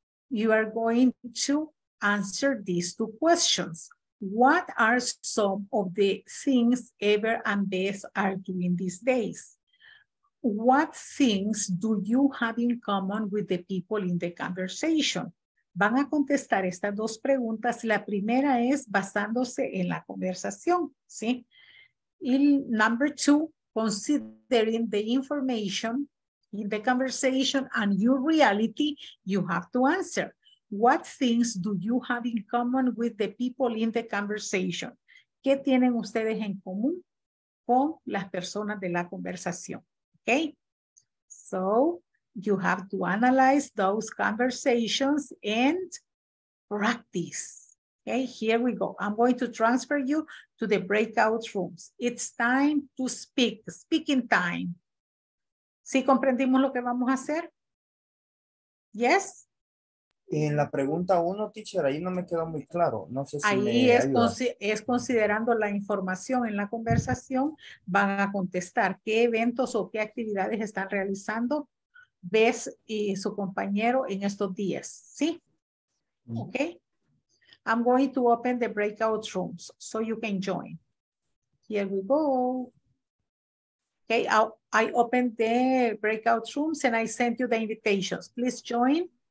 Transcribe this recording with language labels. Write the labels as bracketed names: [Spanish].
[English] You are going to answer these two questions. What are some of the things Ever and Beth are doing these days? What things do you have in common with the people in the conversation? [Spanish] Van a contestar estas dos preguntas. La primera es basándose en la conversación, ¿sí? [English] Y number two, considering the information in the conversation and your reality, you have to answer. What things do you have in common with the people in the conversation? [Spanish] ¿Qué tienen ustedes en común con las personas de la conversación? [English] Okay, so you have to analyze those conversations and practice. Okay, here we go. I'm going to transfer you to the breakout rooms. It's time to speak, speaking time. [Spanish] ¿Sí comprendimos lo que vamos a hacer? [English] Yes? [Spanish] En la pregunta uno, teacher, ahí no me quedó muy claro. No sé si ahí me es, es considerando la información en la conversación, van a contestar qué eventos o qué actividades están realizando Bess y su compañero en estos días, ¿sí? [English] Mm-hmm. Okay. I'm going to open the breakout rooms so you can join. Here we go. Okay, I opened the breakout rooms and I sent you the invitations. Please join.